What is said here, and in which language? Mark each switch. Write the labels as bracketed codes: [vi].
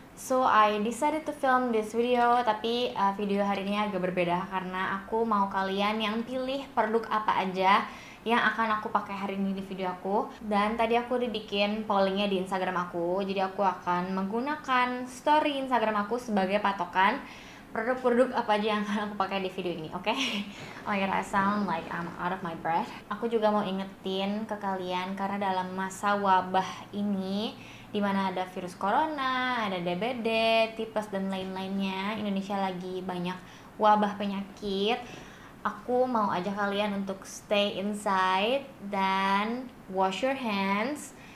[en] So I decided to film this video, [id] tapi video hari ini agak berbeda karena aku mau kalian yang pilih produk apa aja yang akan aku pakai hari ini di video aku. Dan tadi aku udah bikin pollingnya di Instagram aku, jadi aku akan menggunakan story Instagram aku sebagai patokan produk-produk apa aja yang akan aku pakai di video ini, oke? [en] Okay? Oh, I sound like I'm out of my breath. [id] Aku juga mau ingetin ke kalian, karena dalam masa wabah ini dimana ada virus corona, ada DBD, tipes, dan lain-lainnya, Indonesia lagi banyak wabah penyakit, aku mau ajak kalian untuk [en] stay inside [id] dan [en] wash your hands.